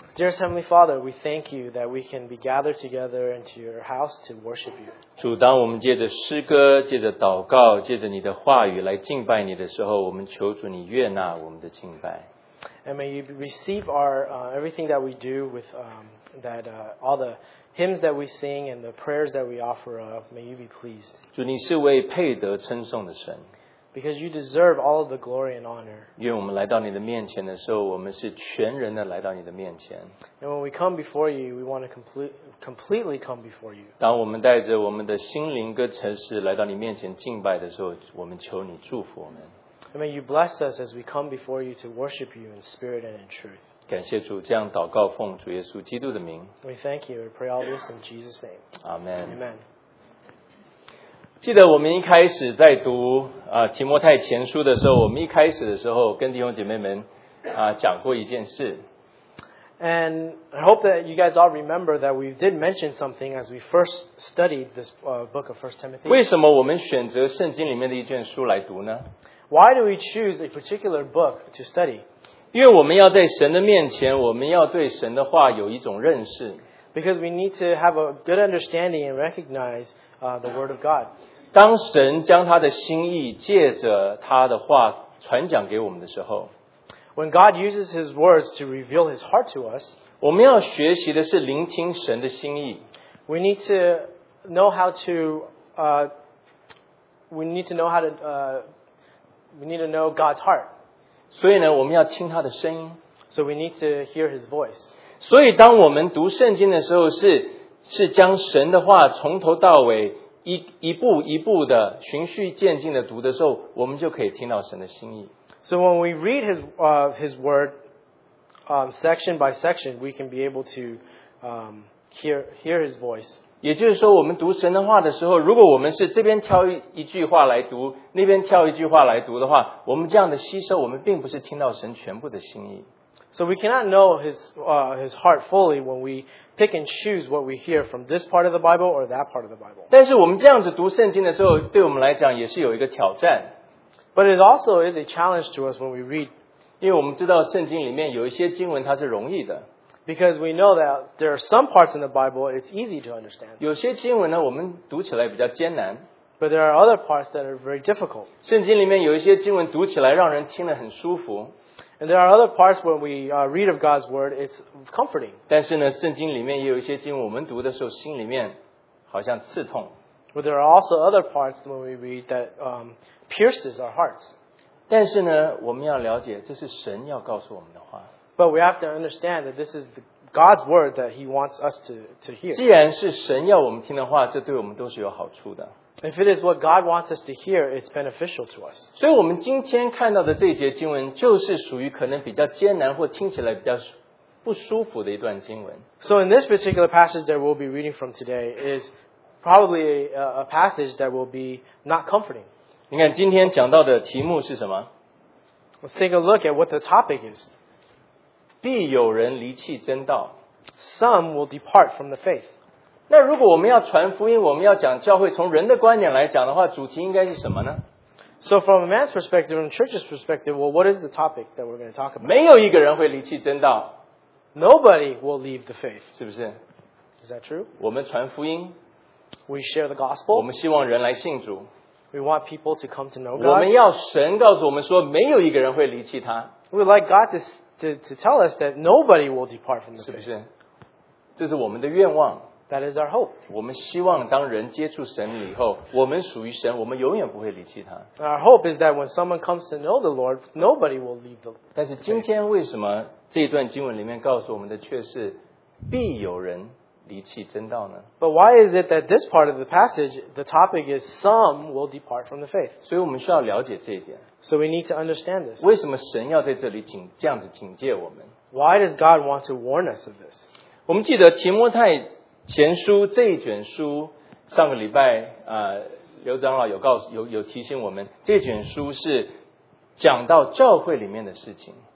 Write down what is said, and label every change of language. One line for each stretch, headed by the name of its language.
English: Dearest Heavenly Father, we thank you that we can be gathered together into your house to worship you.
Chinese: 主，当我们借着诗歌、借着祷告、借着你的话语来敬拜你的时候，我们求主你悦纳我们的敬拜。
English: And may you receive our everything that we do with all the. Hymns that we sing and the prayers that we offer up, may you be pleased.
Chinese: 主，你是为配得称颂的神。
English: Because you deserve all of the glory and honor.
Chinese: 因为我们来到你的面前的时候，我们是全人的来到你的面前。
English: And when we come before you, we want to completely come before you.
Chinese: 当我们带着我们的心灵跟诚实来到你面前敬拜的时候，我们求你祝福我们。
English: And may you bless us as we come before you to worship you in spirit and in truth.
Chinese: 感谢主，这样祷告奉主耶稣基督的名。
English: We thank you. We pray all this in Jesus' name. Amen. Amen.
Chinese: 记得我们一开始在读、提摩太前书的时候，我们一开始的时候跟弟兄姐妹们、讲过一件事。
English: And I hope that you guys all remember that we did mention something as we first studied this、book of 1 Timothy.
Chinese: 为什么我们选择圣经里面的一卷书来读呢？
English: Why do we choose a particular book to study?
Chinese: 因为我们要在神的面前，我们要对神的话有一种认识。
English: Because we need to have a good understanding and recognize the word of God.
Chinese: 当神将他的心意借着他的话传讲给我们的时候
English: ，When God uses His words to reveal His heart to us,
Chinese: 我们要学习的是聆听神的心意。
English: We need to know how to we need to know God's heart.
Chinese: 所以呢，我们要听他的声音。
English: So we need to hear his voice.
Chinese: 所以当我们读圣经的时候是将神的话从头到尾 一步一步的循序渐进的读的时候，我们就可以听到神的心意。
English: So when we read his word, section by section, we can be able to hear his voice.
Chinese: 也就是说我们读神的话的时候，如果我们是这边挑一句话来读，那边挑一句话来读的话，我们这样的吸收，我们并不是听到神全部的心意。
English: So we cannot know his heart fully when we pick and choose what we hear from this part of the Bible or that part of the Bible.
Chinese: 但是我们这样子读圣经的时候，对我们来讲也是有一个挑战。
English: But it also is a challenge to us when we read.
Chinese: 因为我们知道圣经里面有一些经文它是容易的。
English: Because we know that there are some parts in the Bible it's easy to understand.
Chinese: 有些经文呢，我们读起来比较艰难。
English: But there are other parts that are very difficult.
Chinese: 圣经里面有一些经文读起来让人听得很舒服。
English: And there are other parts when we read of God's word, it's comforting.
Chinese: 但是呢，圣经里面也有一些经文，我们读的时候心里面好像刺痛。
English: But there are also other parts when we read that pierces our hearts.
Chinese: 但是呢，我们要了解，这是神要告诉我们的话。
English: But we have to understand that this is God's word that He wants us to hear.
Chinese: 既然是神要我们听的话，这对我们都是有好处的。
English: If it is what God wants us to hear, it's beneficial to us.
Chinese: 所以我们今天看到的这一节经文就是属于可能比较艰难或听起来比较不舒服的一段经文。
English: So in this particular passage that we'll be reading from today is probably a passage that will be not comforting.
Chinese: 你看今天讲到的题目是什么？
English: Let's take a look at what the topic is.
Chinese: 必有人离弃真道。
English: Some will depart from the faith.
Chinese: 那如果我们要传福音，我们要讲教会，从人的观点来讲的话，主题应该是什么呢？
English: So from a man's perspective, from a church's perspective, well, what is the topic that we're going to talk about?
Chinese: 没有一个人会离弃真道。
English: Nobody will leave the faith.
Chinese: 是不是？
English: Is that true?
Chinese: 我们传福音。
English: We share the gospel.
Chinese: 我们希望人来信主。
English: We want people to come to know God.
Chinese: 我们要神告诉我们说，没有一个人会离弃他。
English: We would like God to tell us that nobody will depart from the faith.
Chinese: 是不是？这是我们的愿望。
English: That is our hope.
Chinese: 我们希望当人接触神以后，我们属于神，我们永远不会离弃他。
English: Our hope is that when someone comes to know the Lord, nobody will leave the.
Chinese: 但是今天为什么这一段经文里面告诉我们的却是必有人离弃真道呢？
English: But why is it that this part of the passage, the topic is some will depart from the faith?
Chinese: 所以我们需要了解这一点。
English: So we need to understand this.
Chinese: 为什么神要在这里这样子警戒我们？
English: Why does God want to warn us of this?
Chinese: 我们记得提摩太。前书这一卷书上个礼拜刘长老有提醒我们这卷书是讲到教会里面的事情。